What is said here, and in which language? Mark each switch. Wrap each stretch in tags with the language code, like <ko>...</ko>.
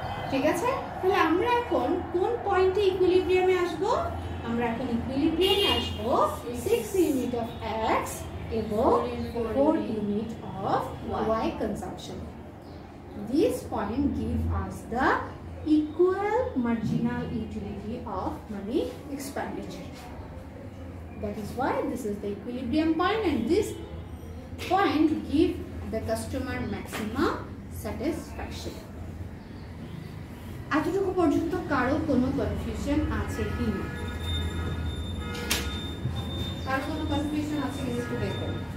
<bn>ঠিক আছে তাহলে আমরা এখন কোন পয়েন্টে ইকুইলিব্রিয়ামে আসব আমরা এখন ইকুইলিব্রিয়ামে আসব 6 ইউনিট অফ x এবং 4 unit of y consumption</bn> <en>This point give us the equal marginal utility of money expenditure. That is why this is the equilibrium point and this point give the customer maximum satisfaction.</en> <bn>এতটুকু পর্যন্ত কারো কোনো confusion আছে কি না কারো কোনো confusion আছে কি একটু দেখুন</bn>